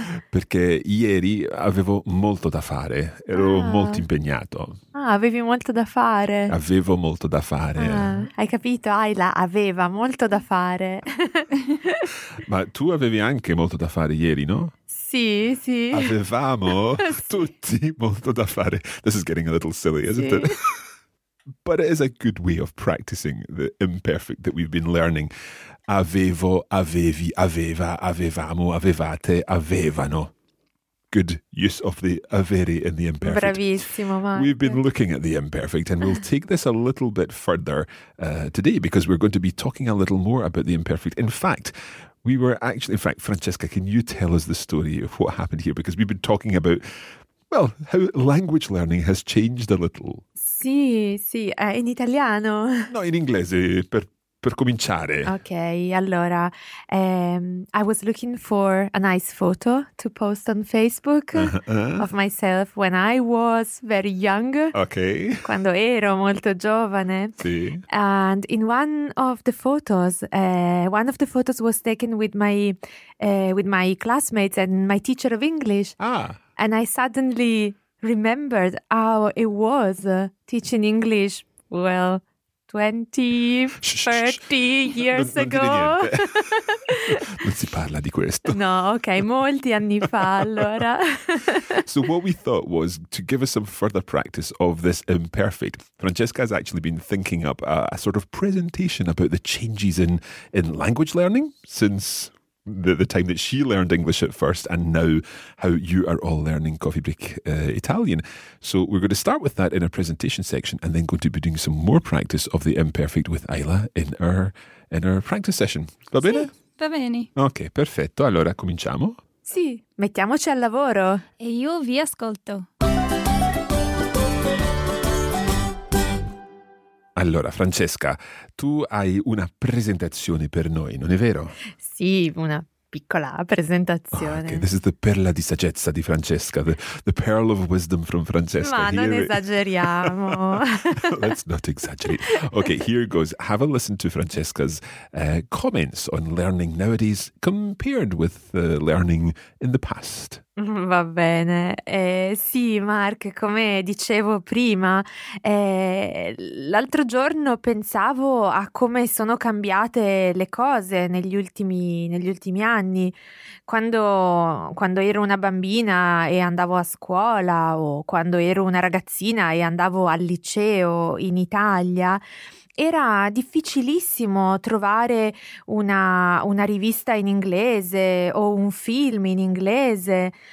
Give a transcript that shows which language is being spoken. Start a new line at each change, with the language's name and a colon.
Italian: Perché ieri avevo molto da fare, ero molto impegnato. Ah, avevi molto da fare. Avevo molto da fare. Ah, hai capito, Ayla, aveva molto da fare. Ma tu avevi anche molto da fare ieri, no? Sì, sì. Avevamo sì. Tutti molto da fare.
English: This is getting a little silly, isn't
Italian: sì.
English: it? But it is a good way of practicing the imperfect that we've been learning.
Italian: Avevo, avevi, aveva, avevamo, avevate, avevano.
English: Good use of the avere in the imperfect.
Italian: Bravissimo, Mark.
English: We've been looking at the imperfect, and we'll take this a little bit further today because we're going to be talking a little more about the imperfect. In fact, Francesca, can you tell us the story of what happened here? Because we've been talking about, well, how language learning has changed a little.
Italian: Sì, sì, in italiano. No, in inglese, per cominciare.
English: Ok, allora, I was looking for a nice photo to post on Facebook of myself when I was very young. Ok.
Italian: Quando ero molto giovane. Sì.
English: And in one of the photos was taken with my classmates and my teacher of English. Ah. And I suddenly remembered how it was teaching English, well, 20, 30 years ago.
Italian: Non si parla di questo. No, okay, molti anni fa allora.
English: So what we thought was to give us some further practice of this imperfect. Francesca has actually been thinking up a sort of presentation about the changes in language learning since the time that she learned English at first and now how you are all learning Coffee Break Italian. So we're going to start with that in our presentation section and then going to be doing some more practice of the imperfect with Ayla in our practice session.
Italian: Va bene? Sì, va bene. Ok, perfetto. Allora, cominciamo? Sì, mettiamoci al lavoro. E io vi ascolto. Allora, Francesca, tu hai una presentazione per noi, non è vero? Sì, una piccola presentazione.
English: Oh, okay. This is the
Italian: perla di saggezza di Francesca,
English: the pearl of wisdom from Francesca.
Italian: Ma non esageriamo.
English: Let's not exaggerate. Okay, here goes. Have a listen to Francesca's comments on learning nowadays compared with learning in the past.
Italian: Va bene. Sì, Mark, come dicevo prima, l'altro giorno pensavo a come sono cambiate le cose negli ultimi anni. Quando ero una bambina e andavo a scuola o quando ero una ragazzina e andavo al liceo in Italia, era difficilissimo trovare una rivista in inglese o un film in inglese.